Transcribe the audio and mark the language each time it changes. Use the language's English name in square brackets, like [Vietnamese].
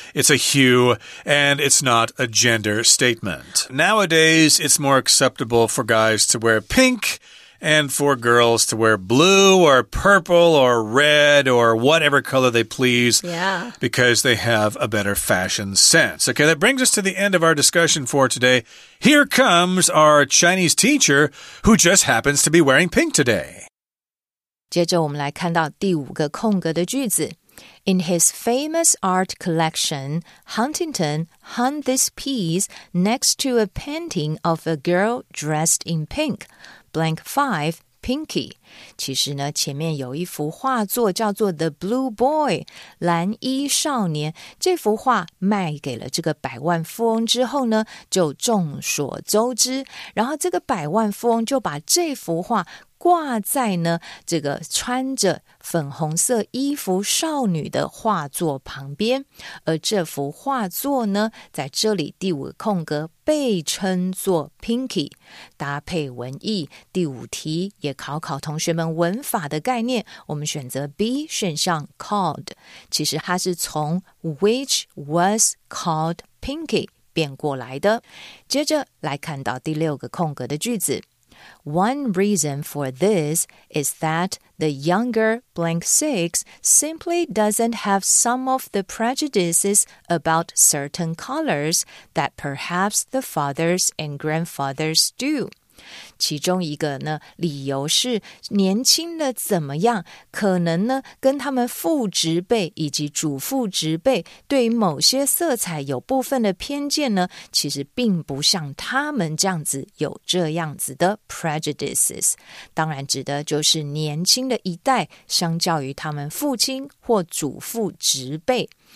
[English] It's a hue, and it's not a gender statement. Nowadays, it's more acceptable for guys to wear pink and for girls to wear blue or purple or red or whatever color they please. Yeah. Because they have a better fashion sense. Okay, that brings us to the end of our discussion for today. Here comes our Chinese teacher who just happens to be wearing pink today. [Chinese] 接着我们来看到第五个空格的句子。 [English] In his famous art collection, Huntington hung this piece next to a painting of a girl dressed in pink. Blank 5, Pinky. [Chinese] 其实呢，前面有一幅画作叫做 The Blue Boy, 蓝衣少年。这幅画卖给了这个百万富翁之后呢，就众所周知。然后这个百万富翁就把这幅画挂在呢这个穿着粉红色衣服少女的画作旁边，而这幅画作呢，在这里第五个空格被称作 Pinky， 搭配文意。第五题也考考同学们文法的概念，我们选择 B 选项 called， 其实它是从 [English] which was called Pinky [Chinese] 变过来的。接着来看到第六个空格的句子。 [English] One reason for this is that the younger blank six simply doesn't have some of the prejudices about certain colors that perhaps the fathers and grandfathers do. [Chinese] 其中一个呢，理由是年轻的怎么样，可能呢跟他们父执辈以及祖父执辈对某些色彩有部分的偏见呢，其实并不像他们这样子有这样子的 prejudices， 当然指的就是年轻的一代相较于他们父亲或祖父执辈。